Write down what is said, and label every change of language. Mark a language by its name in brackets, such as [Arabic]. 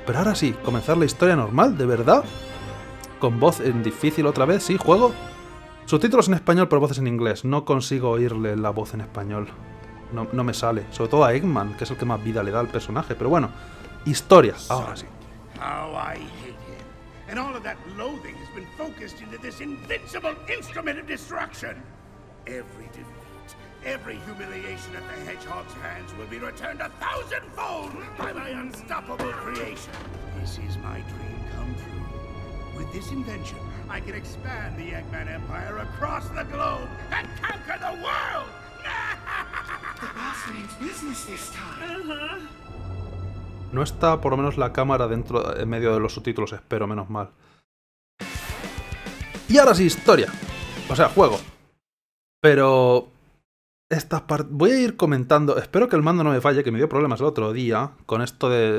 [Spanish] Pero ahora sí, comenzar la historia normal, de verdad. Con voz en difícil otra vez, sí, juego... Subtítulos en español, pero voces en inglés. No consigo oírle la voz en español. No, no me sale. Sobre todo a Eggman, que es el que más vida le da al personaje. Pero bueno, historia. Ahora sí. [English] How I hate him. And all of that loathing has been focused into this invincible instrument of destruction. Every defeat, every humiliation at the Hedgehog's hands will be returned a thousandfold by my unstoppable creation. This is my dream come true. With this invention, I can expand the Eggman Empire across the globe and conquer the world! The boss means business this time. [Spanish] No está por lo menos la cámara dentro, en medio de los subtítulos, espero, menos mal. Y ahora sí, historia. O sea, juego. Pero... voy a ir comentando, espero que el mando no me falle, que me dio problemas el otro día con esto de...